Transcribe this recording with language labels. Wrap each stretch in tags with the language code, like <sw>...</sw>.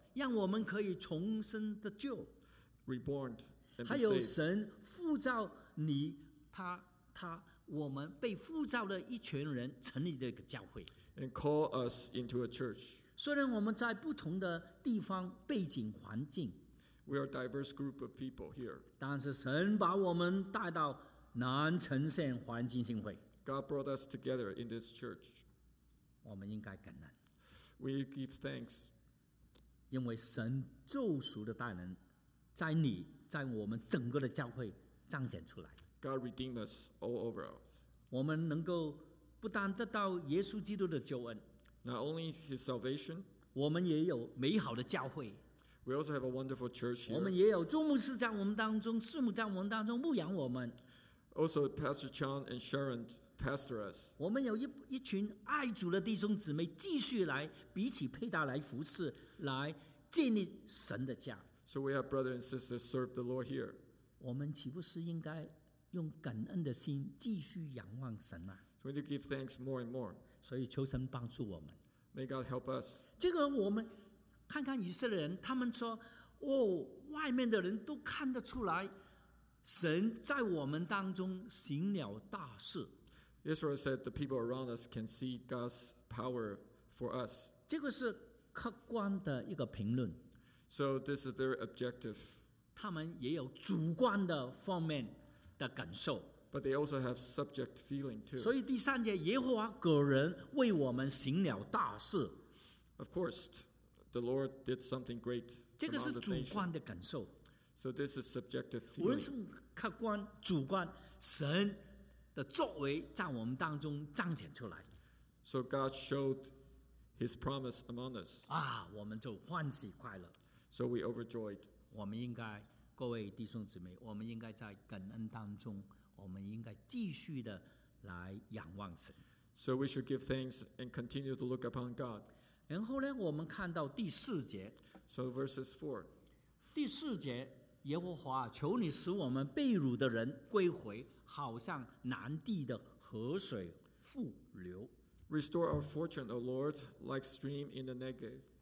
<zh>让我们可以重生得救。</zh> <en>Reborn and be saved.</en> <zh>还有神呼召你，他。我们被呼召的一群人成立了一个教会</zh> <en>and call us into a church.</en> <zh>虽然我们在不同的地方背景环境</zh> <en>we are a diverse group of people here.</en> <zh>但是神把我们带到南城县环境信会</zh> <en>God brought us together in this church.</en> <zh>我们应该感恩</zh> <en>we give thanks.</en> <zh>因为神救赎的大能在你在我们整个的教会彰显出来。</zh> <en>God redeemed us all over us.</en> <zh>我们能够不但得到耶稣基督的救恩。</zh> <en>Not only his salvation.</en> <zh>我们也有美好的教会。</zh> <en>We also have a wonderful church here.</en> <zh>我们也有众牧师在我们当中，师母在我们当中牧养我们。</zh> <en>Also, Pastor Chan and Sharon pastor us.</en> <zh>我们有一群爱主的弟兄姊妹，继续来彼此配搭，来服侍，来建立神的家。</zh> <en>So we have brothers and sisters serve the Lord here.</en> <zh>我们岂不是应该用感恩的心继续仰望神吗？</zh> <en>So we need to give thanks more and more.</en> <zh>所以求神帮助我们。</zh> <en>May God help us.</en> <zh>这个我们。看看以色列人，他们说：“哦，外面的人都看得出来，神在我们当中行了大事。”</zh> <en>Israel said the people around us can see God's power for us.</en> <zh>这个是客观的一个评论。</zh> <en>So this is their objective.</en> <zh>他们也有主观的方面的感受。</zh> <en>But they also have subject feeling too.</en> <zh>所以第三节，耶和华个人为我们行了大事。</zh> <en>Of course. The Lord did something great.</en> <zh>这个是主观的感受。</zh> <en>So this is subjective feeling.</en> <zh>无论客观、主观，神的作为在我们当中彰显出来。</zh> <en>So God showed His promise among us.</en> <zh>啊，我们就欢喜快乐。</zh> <en>So we overjoyed.</en> <zh>我们应该，各位弟兄姊妹，我们应该在感恩当中，我们应该继续的来仰望神。</zh> <en>So we should give thanks and continue to look upon God.</en> <zh>然后呢，我们看到第四节。</zh> <en>So verses four.</en> <zh>第四节，耶和华，求你使我们被掳的人归回，好像南地的河水复流。</zh> <en>Restore our fortune, O Lord, like stream in the Negev.</en>